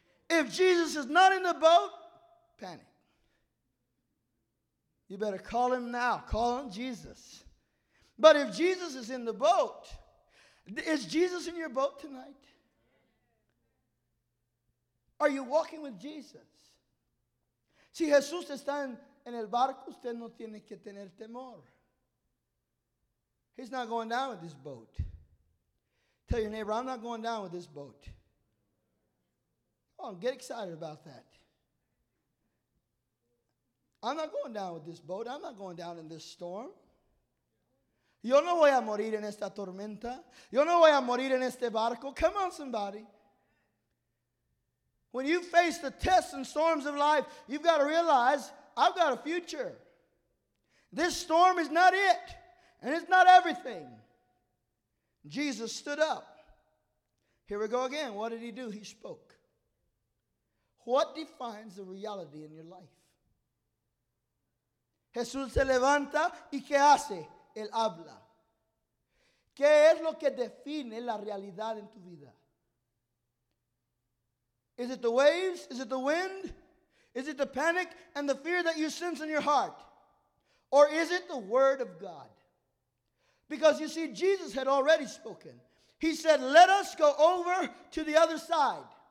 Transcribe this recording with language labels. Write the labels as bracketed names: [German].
[English] If Jesus is not in the boat, panic. You better call him now. Call on Jesus. But if Jesus is in the boat, is Jesus in your boat tonight? Are you walking with Jesus? [Spanish] Si Jesús está en el barco, usted no tiene que tener temor. [English] He's not going down with this boat. Tell your neighbor, I'm not going down with this boat. Come on, get excited about that. I'm not going down with this boat. I'm not going down in this storm. [Spanish] Yo no voy a morir en esta tormenta. Yo no voy a morir en este barco. [English] Come on, somebody. When you face the tests and storms of life, you've got to realize, I've got a future. This storm is not it, and it's not everything. Jesus stood up. Here we go again. What did he do? He spoke. What defines the reality in your life? [Spanish] Jesús se levanta, ¿y qué hace? Él habla. ¿Qué es lo que define la realidad en tu vida? [English] Is it the waves? Is it the wind? Is it the panic and the fear that you sense in your heart? Or is it the word of God? Because you see, Jesus had already spoken. He said, let us go over to the other side.